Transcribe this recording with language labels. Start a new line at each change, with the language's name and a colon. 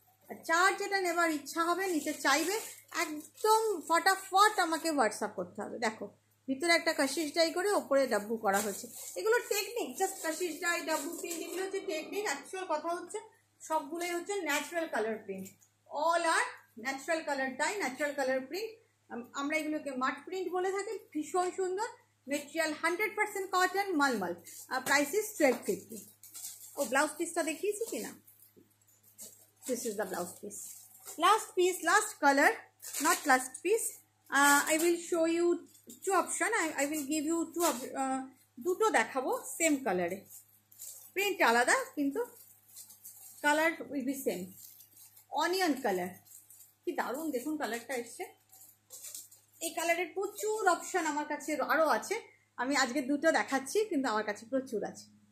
Bangla: চার যেটা নেবার ইচ্ছা হবে নিতে চাইবে একদম ফটাফট আমাকে হোয়াটসঅ্যাপ করতে হবে দেখো ভিতরে একটা কাশিস ডাই করে ওপরে ডাব্বু করা হয়েছে এগুলো technique just Kashish die dabu print এগুলো হচ্ছে টেকনিক অ্যাকচুয়াল কথা হচ্ছে সবগুলোই হচ্ছে ন্যাচারাল কালার প্রিন্ট
English: all আর natural colour dye
Bangla: natural colour print আমরা এগুলোকে মাট প্রিন্ট বলে থাকি ভীষণ সুন্দর material 100% cotton মলমল
English: price is 1250
Bangla: O blouse পিসটা দেখিয়েছি কিনা
English: this is the blouse piece. Last piece, last color, not last piece. I will show you two option. I will give you two of
Bangla: দুটো দেখাবো same কালারে, print আলাদা কিন্তু
English: Colour will be same.
Bangla: Onion colour, কি দারুণ দেখুন কালারটা এসছে। এই কালারের প্রচুর অপশন আমার কাছে আরও আছে, আমি আজকে দুটো দেখাচ্ছি কিন্তু আমার কাছে প্রচুর আছে।